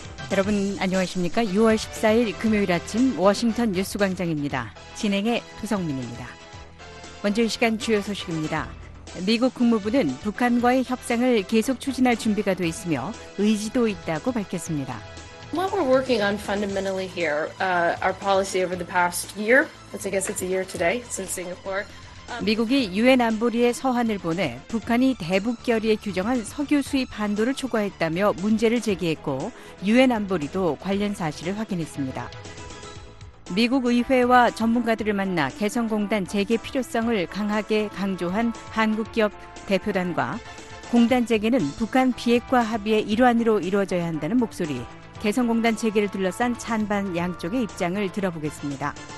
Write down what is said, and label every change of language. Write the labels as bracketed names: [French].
[Korean] 여러분 안녕하십니까? 6월 14일 금요일 아침 워싱턴 뉴스 광장입니다. 진행의 조성민입니다. 먼저 이 시간 주요 소식입니다. 미국 국무부는 북한과의 협상을 계속 추진할 준비가 돼 있으며 의지도 있다고 밝혔습니다. [English] What we're working on fundamentally here, our policy over the past year, I guess it's a year today since Singapore. [Korean] 미국이 유엔 안보리에 서한을 보내 북한이 대북 결의에 규정한 석유 수입 한도를 초과했다며 문제를 제기했고 유엔 안보리도 관련 사실을 확인했습니다. 미국 의회와 전문가들을 만나 개성공단 재개 필요성을 강하게 강조한 한국 기업 대표단과 공단 재개는 북한 비핵화 합의의 일환으로 이루어져야 한다는 목소리, 개성공단 재개를 둘러싼 찬반 양쪽의 입장을 들어보겠습니다.